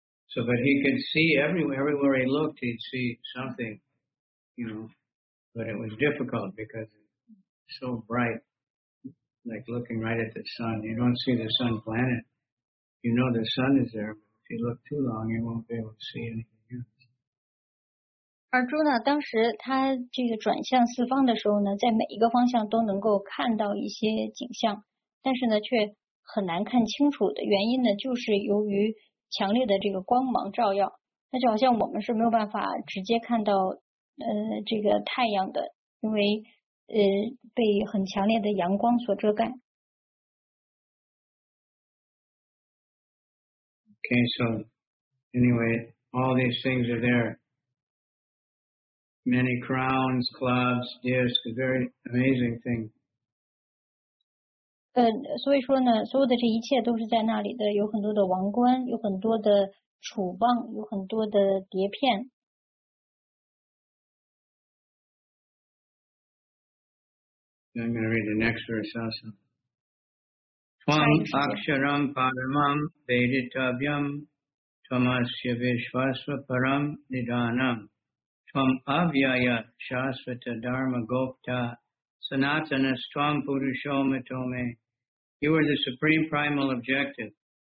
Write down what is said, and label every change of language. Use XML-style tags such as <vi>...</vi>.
<en>So, but he could see everywhere he looked, he'd see something, you know, but it was difficult because it's so bright. Like looking right at the sun. You don't see the sun planet. You know the sun is there, but if you look too long, you won't be able to see anything else.</en> <zh>Arjuna, 当时他这个转向四方的时候呢，在每一个方向都能够看到一些景象，但是呢，却很难看清楚的原因呢，就是由于强烈的这个光芒照耀。那就好像我们是没有办法直接看到这个太阳的，因为被很强烈的阳光所遮盖。</zh> <en>Okay, so anyway, all these things are there. Many crowns, clubs, discs, a very amazing thing.</en> <zh>所以说呢，所有的这一切都是在那里的，有很多的王冠，有很多的杵棒，有很多的碟片。</zh> <en>I'm going to read the next verse also.</en> <sa>Twam aksharam paramam veditabhyam tvamasya vishvasva param nidhanam Twam avyaya shasvata dharma gopta sanatanas twam purusho matome</sa> <en>You are the supreme primal objective.</en>